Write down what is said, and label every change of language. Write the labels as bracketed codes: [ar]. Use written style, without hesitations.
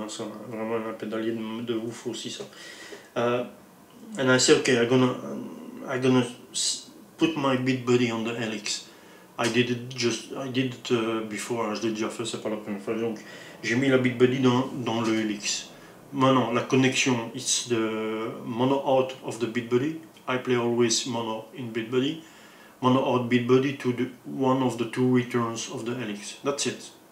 [fr] Hein, ça vraiment un pédalier de ouf aussi ça. [en] And I said, okay, I'm gonna put my Beatbuddy on the Helix. I did it before. [fr] Je l'ai déjà fait, c'est pas la première fois. Donc, j'ai mis la Beatbuddy dans le Helix. Maintenant, la connexion, [en] it's the mono out of the Beatbuddy. I play always mono in Beatbuddy, mono out Beatbuddy to the one of the two returns of the Helix. That's it.